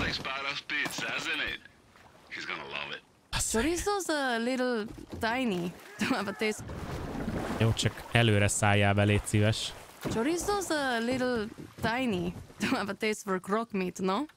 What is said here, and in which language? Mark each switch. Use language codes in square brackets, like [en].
[en] like Spider's pizza, isn't it? He's gonna love it. Chorizo's a little tiny to have a taste. [hu] Jó, csak előre szájjába légy szíves. [en] Chorizo's a little tiny to have a taste for croc meat, no?